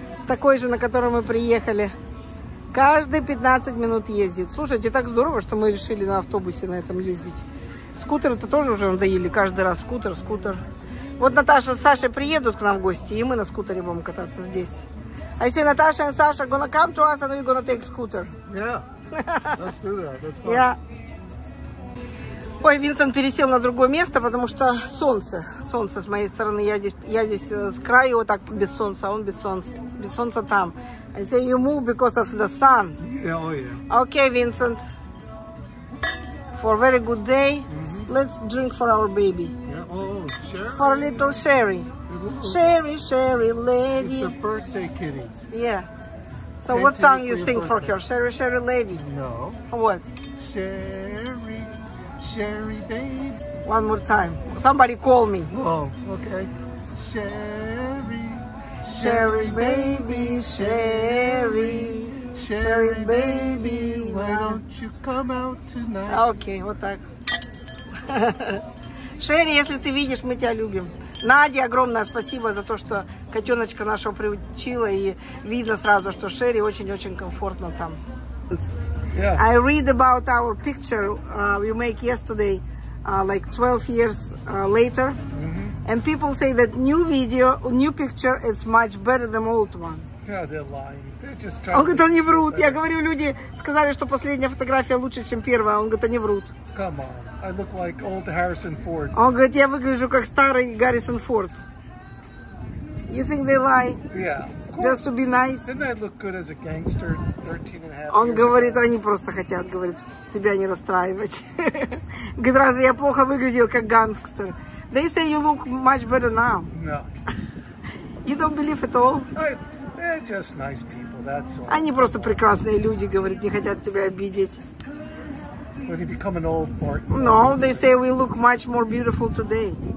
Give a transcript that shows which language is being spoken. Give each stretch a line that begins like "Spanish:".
Russian: такой же, на котором мы приехали. Каждые 15 минут ездит. Слушайте, так здорово, что мы решили на автобусе на этом ездить. Скутеры-то тоже уже надоели. Каждый раз скутер, скутер. Вот Наташа с Сашей приедут к нам в гости, и мы на скутере будем кататься здесь.
English: I say, Natasha and Sasha, gonna come to us, and we're gonna take scooter. Yeah, let's do that. That's fun. Yeah.
Russian: Ой, Винсент пересел на другое место, потому что солнце. Солнце с моей стороны. Я здесь с краю вот так без солнца, а он без солнца. Без солнца там.
English: I say, you move because of the sun. Yeah, oh yeah. Okay, Vincent. For a very good day, let's drink for our baby. Yeah. Oh, Sherry. For a little Sherry. Sherry, Sherry, lady. It's a birthday kitty. Yeah. So what song you sing for her? Sherry, Sherry, lady. No. What? Sherry, Sherry, baby. One more time. Somebody call me. Oh, okay. Sherry, Sherry, baby, Sherry. Sherry, baby, why don't you come out tonight?
Russian: Okay, вот так. Шерри, если ты видишь, мы тебя любим. Надя, огромное спасибо за то, что котеночка нашего приучила, и видно сразу, что Шерри очень-очень комфортно там.
English: Yeah. I read about our picture we make yesterday, like 12 years later, and people say that new picture is much better than old one. Yeah,
Russian: он говорит, они врут. Я говорю, люди сказали, что последняя фотография лучше, чем первая. Он говорит, они врут.
English: Come on. I look like old Harrison Ford.
Russian: Он говорит, я выгляжу как старый Гаррисон Форд.
English: You think they lie? Yeah. Just to be nice. Didn't I look good as a gangster 13 and a half?
Russian: Он говорит, они просто хотят, говорит, тебя не расстраивать. Говорит, разве я плохо выглядел как гангстер?
English: They say you look much better now. No. You don't believe at all? They're just nice people, that's all.
Russian: Они просто прекрасные люди, говорит, не хотят тебя обидеть.
English: When you become an old fart. No, they say we look much more beautiful today.